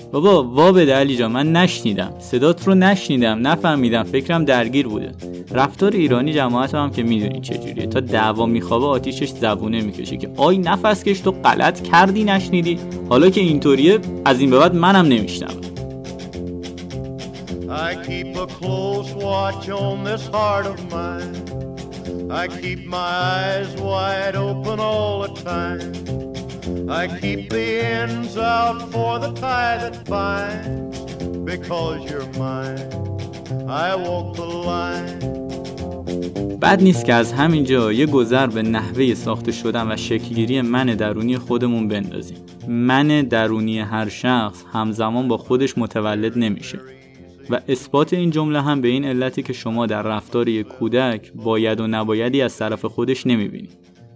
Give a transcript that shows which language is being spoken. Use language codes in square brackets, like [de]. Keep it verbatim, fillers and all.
[fa] بابا وا بده علی جان، من نشنیدم، صدات رو نشنیدم، نفهمیدم، فکرم درگیر بوده. رفتار ایرانی جماعت هم که میدونی چجوریه، تا دعوا میخوابه آتیشش زبونه میکشه که آی نفس کش، تو غلط کردی نشنیدی. حالا که اینطوریه از این به بعد منم نمیشنوم. [en] I keep a close watch on this heart of mine. I keep my eyes wide open all the time. I keep the ends out for the tie that binds. Because you're mine, I walk the line. [fa] بد نیست که از همینجا یه گذر به نحوه ساخته شدن و شکل‌گیری من درونی خودمون بندازیم. من درونی هر شخص همزمان با خودش متولد نمیشه. و اثبات این جمله هم به این علتی که شما در رفتار یک کودک باید و نبایدی از طرف خودش نمیبینید.